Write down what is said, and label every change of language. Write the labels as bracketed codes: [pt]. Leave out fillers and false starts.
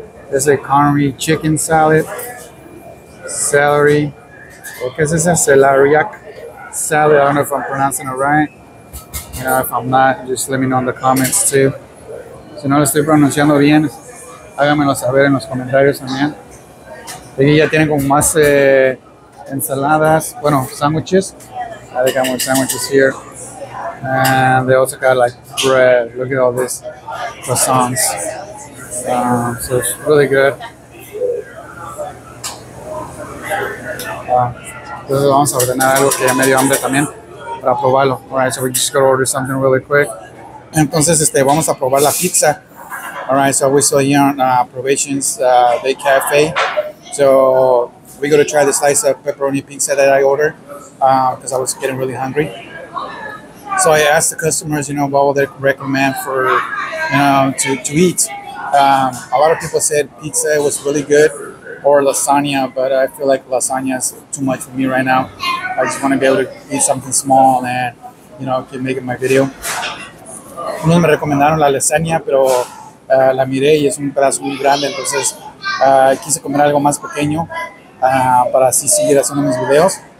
[en] There's a curry chicken salad, celery, okay, this is a celeriac salad. I don't know if I'm pronouncing it right. You know, if I'm not, just let me know in the comments too. [es] Si no lo estoy pronunciando bien, háganmelo saber en los comentarios también. Aquí ya tienen como más ensaladas, bueno, sandwiches. [en] I think I have sandwiches here. And they also got like bread. Look at all these croissants. So it's really good. [es] Entonces vamos a ordenar algo que ya me dio hambre también para probarlo. [en] Alright, so we just gotta order something really quick. [es] Entonces vamos a probar la pizza. [en] Alright, so we're still here on Provisions Bay Cafe. So we're gonna try the slice of pepperoni pizza that I ordered because I was getting really hungry. So I asked the customers, you know, what would they recommend for, you know, to eat. A lot of people said pizza was really good or lasagna, but I feel like lasagna is too much for me right now. I just want to be able to eat something small and, you know, keep making my video. [es] Unos me recomendaron la lasagna, pero la miré y es un pedazo muy grande, entonces quise comer algo más pequeño para así seguir haciendo mis videos.